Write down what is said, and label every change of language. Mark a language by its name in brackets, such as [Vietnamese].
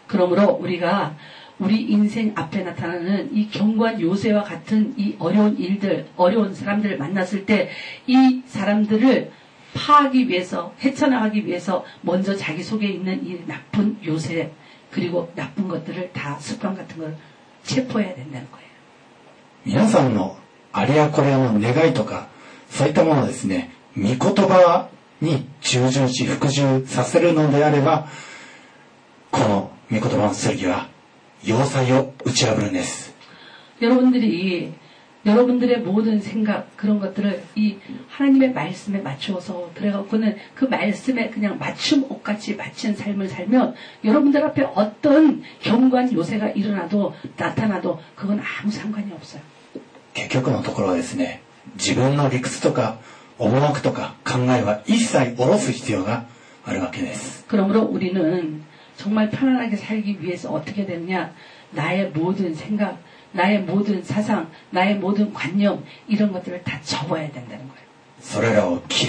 [Korean] 그러므로우리가우리인생앞에나타나는이경관요새와같은이어려운일들어려운사람들을만났을때이사람들을파하기위해서헤쳐나가기위해서먼저자기속에있는이나쁜요새그리고나쁜것들을다습관같은걸체포해야된다는거예요 [Japanese] 皆さんのあれやこれやの願いとかそういったものですね御言葉に従順し服従させるのであればこの御言葉の剣は要塞を打ち破るんです [Korean] 여러분들이 여러분들의 모든 생각 그런 것들을 이 하나님의 말씀에 맞추어서 들어가고는 그 말씀에 그냥 맞춤 옷같이 맞춘 삶을 살면 여러분들 앞에 어떤 경관 요새가 일어나도 나타나도 그건 아무 상관이 없어요. 결국은 [Japanese] 自分の理屈とか思惑とか考えは一切下ろす必要があるわけです。 [Korean] 그러므로 우리는 정말 편안하게 살기 위해서 어떻게 되느냐? 나의 모든 생각, 나의 모든 사상, 나의 모든 관념 이런 것들을 다 접어야 된다는 거예요.